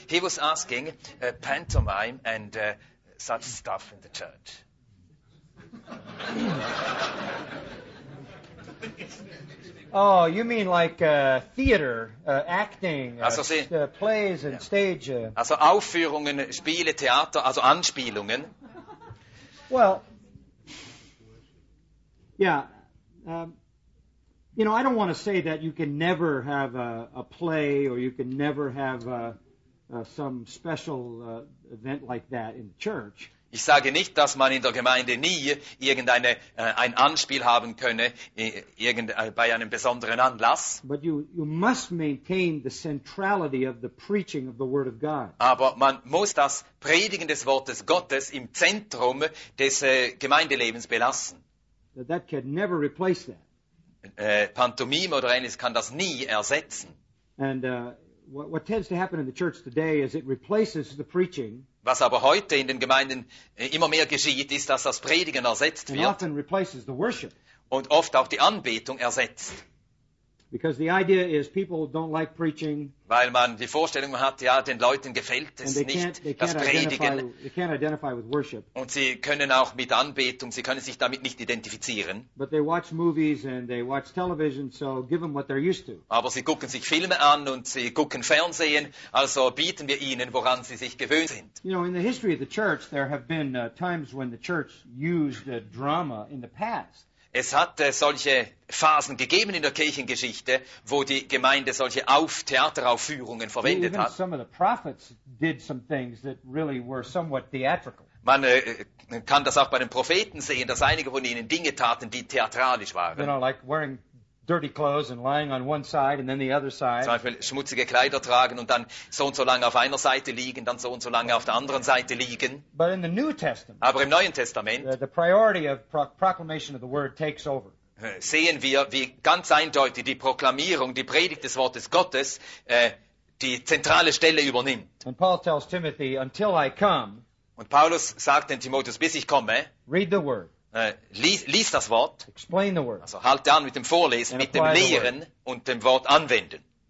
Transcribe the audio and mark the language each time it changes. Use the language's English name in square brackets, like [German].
[English] He was asking Pantomime and such stuff in the church. Oh, you mean like theater, acting, [German] also Sie, [English] plays and ja. Stage. [German] Also Aufführungen, Spiele, Theater, also Anspielungen. [English] Well, yeah, you know, I don't want to say that you can never have a play or you can never have some special event like that in the church. [German] Ich sage nicht, dass man in der Gemeinde nie irgendeine ein Anspiel haben könne bei einem besonderen Anlass. [English] But you must maintain the centrality of the preaching of the Word of God. [German] Aber man muss das Predigen des Wortes Gottes im Zentrum des Gemeindelebens belassen. [English] That can never replace that. [German] Pantomime oder ähnliches kann das nie ersetzen. [English] And what tends to happen in the church today is it replaces the preaching. [German] Was aber heute in den Gemeinden immer mehr geschieht, ist, dass das Predigen ersetzt wird [English] often replaces the worship. [German] Und oft auch die Anbetung ersetzt. [English] Because the idea is people don't like preaching. [German] Weil man die Vorstellung hat, ja, den Leuten gefällt es nicht, das Predigen. [English] They can't identify with worship. [German] Und sie können auch mit Anbetung, sie können sich damit nicht identifizieren. [English] But they watch movies and they watch television, so give them what they're used to. [German] Aber sie gucken sich Filme an und sie gucken Fernsehen, also bieten wir ihnen, woran sie sich gewöhnt sind. [English] You know, in the history of the church, there have been times when the church used drama in the past. [German] Es hat solche Phasen gegeben in der Kirchengeschichte, wo die Gemeinde solche Theateraufführungen verwendet hat. [English] Some of the prophets did some things that really were somewhat theatrical. [German] Man kann das auch bei den Propheten sehen, dass einige von ihnen Dinge taten, die theatralisch waren. [English] You know, like wearing dirty clothes and lying on one side and then the other side. [German] Zum Beispiel schmutzige Kleider tragen und dann so und so lange auf einer Seite liegen, dann so und so lange auf der anderen Seite liegen. [English] But in the New Testament, [German] aber im Neuen Testament, [English] the priority of proclamation of the word takes over. [German] Sehen wir, wie ganz eindeutig die Proklamierung, die Predigt des Wortes Gottes, die zentrale Stelle übernimmt. [English] And Paul tells Timothy, until I come, [German] und Paulus sagt den Timotheus, bis ich komme, [English] read the word. [German] Lies das Wort, [English] explain the word, [German] also halte an mit dem Vorlesen, mit dem Lehren und dem Wort anwenden.